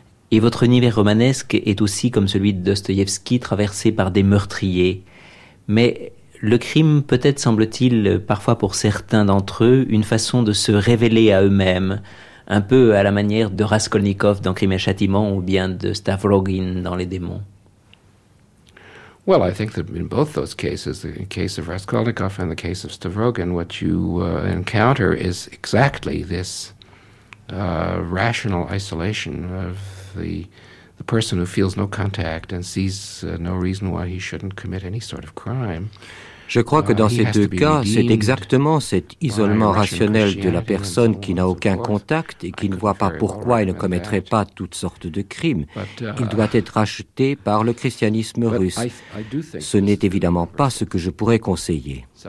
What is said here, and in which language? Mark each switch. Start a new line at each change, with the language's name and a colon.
French: Et votre univers romanesque est aussi, comme celui de Dostoïevski, traversé par des meurtriers. Mais le crime peut être, semble-t-il, parfois pour certains d'entre eux, une façon de se révéler à eux-mêmes, un peu à la manière de Raskolnikov dans Crime et Châtiment ou bien de Stavrogin dans Les Démons.
English: Well, I think that in both those cases, the case of Raskolnikov and the case of Stavrogin, what you encounter is exactly this rational isolation of the person who feels no contact and sees no reason why he shouldn't commit any sort of crime.
French: Je crois que dans ces deux cas, c'est exactement cet isolement rationnel de la personne qui n'a aucun contact et qui ne voit pas pourquoi elle ne commettrait pas toutes sortes de crimes. Il doit être racheté par le christianisme russe. Ce n'est évidemment pas ce que je pourrais conseiller.